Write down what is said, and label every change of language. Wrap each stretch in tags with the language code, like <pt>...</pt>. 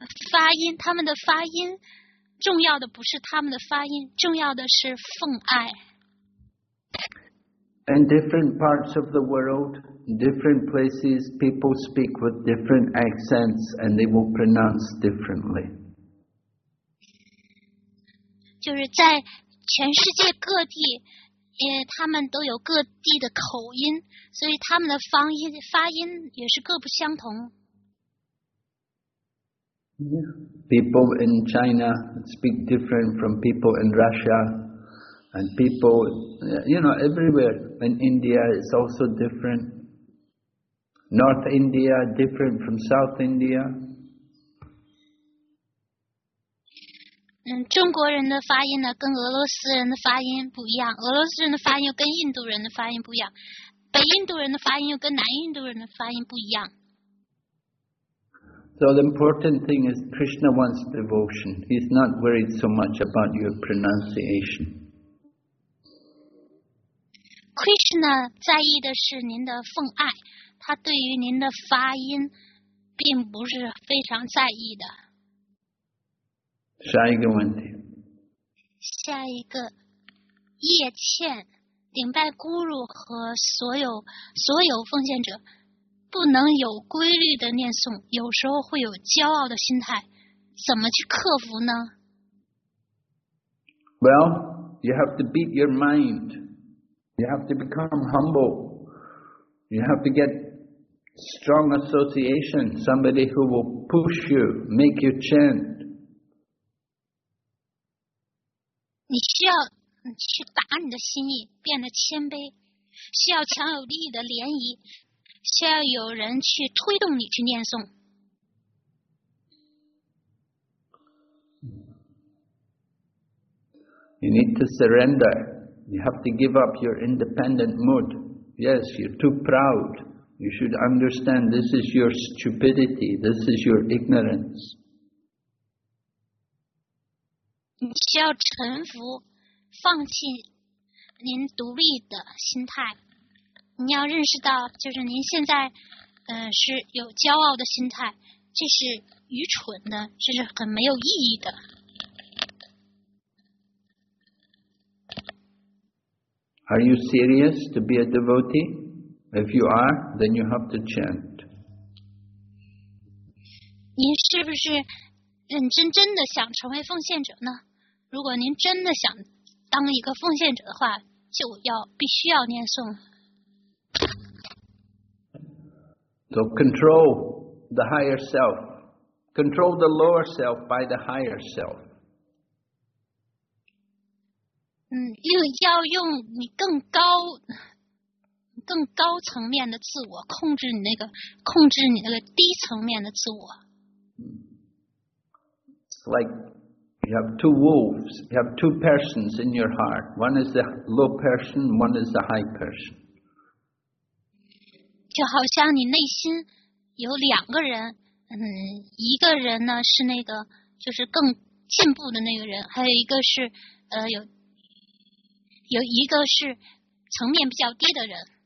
<zh>发音，他们的发音，重要的不是他们的发音，重要的是奉爱。</zh> <en>In different parts of the world, different places, people speak with different accents and they will pronounce differently.</en> <zh>就是在全世界各地，他们都有各地的口音，所以他们的方音发音也是各不相同。</zh> <en>People in China speak different from people in Russia, and people, you know, everywhere in India it's also different. North India different from South India.</en> <zh>中国人的发音呢跟俄罗斯人的发音不一样，俄罗斯人的发音又跟印度人的发音不一样，北印度人的发音又跟南印度人的发音不一样。</zh> <en>So the important thing is Krishna wants devotion. He's not worried so much about your pronunciation.</en> <zh>Krishna 在意的是您的奉爱，他对于您的发音并不是非常在意的。下一个问题。下一个，叶倩，顶拜咕噜和所有奉献者不能有规律的念诵，有时候会有骄傲的心态，怎么去克服呢？</zh> <en>Well, you have to beat your mind. You have to become humble. You have to get strong association, somebody who will push you, make you chant.</en> <zh>你需要去打你的心意，变得谦卑，需要强有力的联谊，需要有人去推动你去念诵。</zh> <en>You need to surrender. You have to give up your independent mood. Yes, you're too proud. You should understand this is your stupidity. This is your ignorance.</en> <zh>你需要臣服，放弃您独立的心态。你要认识到，就是您现在，是有骄傲的心态，这是愚蠢的，这是很没有意义的。</zh> <en>Are you serious to be a devotee? If you are, then you have to chant.</en> <zh>您是不是认真真的想成为奉献者呢？如果您真的想当一个奉献者的话，就要必须要念诵。</zh> <en>So control the higher self. Control the lower self by the higher self.</en> <zh>要用你更高层面的自我控制你那个低层面的自我。</zh> <en>It's like you have two wolves, you have two persons in your heart. One is the low person, one is the high person.</en> <zh>就好像你内心有两个人，一个人呢是那个就是更进步的那个人，还有一个是有一个是层面比较低的人。</zh>